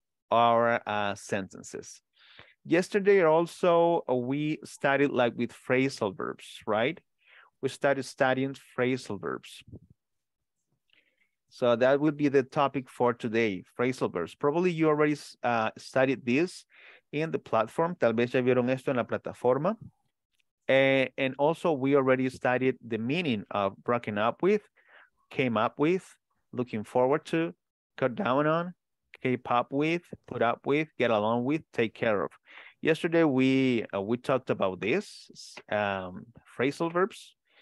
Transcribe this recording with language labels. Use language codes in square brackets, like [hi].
[en] our sentences. Yesterday also we studied like with phrasal verbs, right? We started studying phrasal verbs. So that would be the topic for today, phrasal verbs. Probably you already studied this in the platform. [es] Tal vez ya vieron esto en la plataforma. [en] And also we already studied the meaning of broken up with, came up with, looking forward to, cut down on, keep up with, put up with, get along with, take care of. Yesterday we talked about this, phrasal verbs.